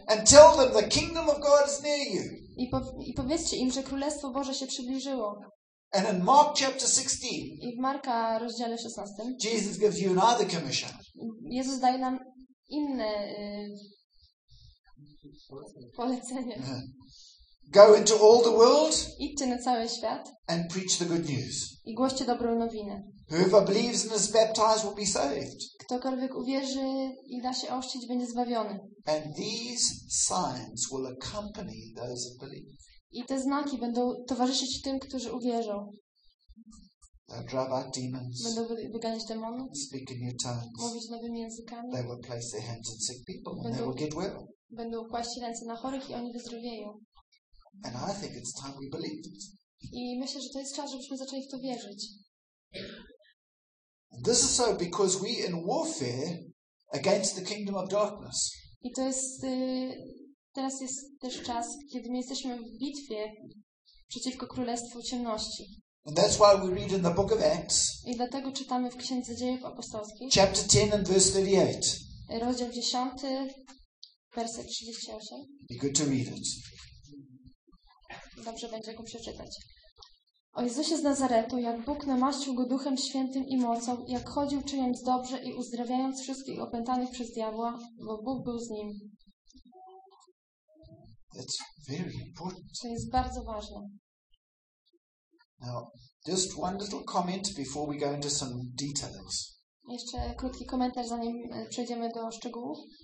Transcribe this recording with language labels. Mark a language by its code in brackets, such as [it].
[en] And tell them the kingdom of God is near you. [pl] I powiedzcie im, że Królestwo Boże się przybliżyło. [en] And in Mark chapter 16. [pl] I w Marka rozdziale 16. [en] Jesus gives you another commission. [pl] Jezus daje nam inne polecenie. [en] Go into all the world. [pl] Idźcie na cały świat. [en] And preach the good news. [pl] I głoście dobrą nowinę. [en] Whoever believes and is baptized will be saved. [pl] Ktokolwiek uwierzy i da się ochrzcić, będzie zbawiony. [en] And these signs will accompany those who believe. [pl] I te znaki będą towarzyszyć tym, którzy uwierzą. [en] They'll drive out demons. [pl] Będą wyganiać demony. [en] Speak in new tongues. [pl] Mówić nowymi językami. [en] They will place their hands on sick people and they will get well. [pl] Będą kłaść ręce na chorych i oni wyzdrowieją. [en] And I think it's time we believe it. [pl] I myślę, że to jest czas, żebyśmy zaczęli w to wierzyć. [en] This is so because we in warfare against the kingdom of darkness. [pl] I to jest teraz jest też czas, kiedy my jesteśmy w bitwie przeciwko Królestwu Ciemności. [en] And that's why we read in the book of Acts. [pl] I dlatego czytamy w Księdze Dziejów Apostolskich. [en] Chapter 10 and verse 38. [pl] Rozdział 10, werset 38. [en] Be good to read it. [pl] Dobrze będzie go przeczytać. O Jezusie z Nazaretu, jak Bóg namaścił go Duchem Świętym i mocą, jak chodził czyniąc dobrze i uzdrawiając wszystkich opętanych przez diabła, bo Bóg był z nim. [en] That's very important. [pl] To jest bardzo ważne. [en] Now, just one little comment before we go into some details. [pl] Jeszcze krótki komentarz, zanim przejdziemy do szczegółów.